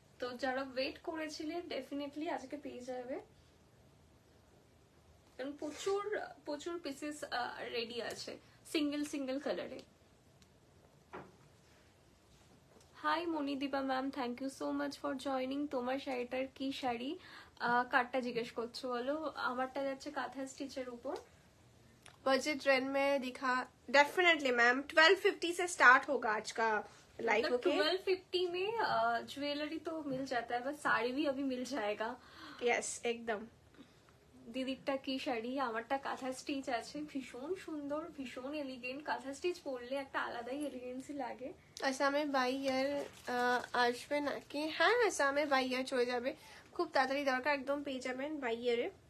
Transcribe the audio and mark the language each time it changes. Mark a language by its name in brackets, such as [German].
[Bangla] তো যারা ওয়েট করেছিলে ডেফিনেটলি আজকে পেয়ে যাবে, কারণ প্রচুর প্রচুর পিসেস রেডি আছে সিঙ্গেল সিঙ্গেল কালারে। High Manidipa ma'am, [English] Thank you so much for joining. [Bangla] তোমার শাড়িটার কি শাড়ি, কারটা জিজ্ঞেস করছো বলো? আমারটা যাচ্ছে কাঁথা স্টিচের উপর। [Hindi] बजट ट्रेंड में दिखा, डेफिनेटली मैम 1250 से स्टार्ट होगा आज का लाइव। 1250 में ज्वेलरी तो मिल जाता है, बस साड़ी भी अभी मिल जाएगा। यस एकदम। [Bangla] দিদিটা কি শাড়ি, আমারটা কাঁথা স্টিচ আছে, ভীষণ সুন্দর ভীষণ এলিগেন্ট, কাঁথা স্টিচ পরলে একটা আলাদাই এলিগেন্সি লাগে। আসামে বাইয়ার আসবে নাকি? হ্যাঁ আসামে বাইয়ার চলে যাবে, খুব তাড়াতাড়ি দরকার, একদম পেয়ে যাবেন বাইয়ারে।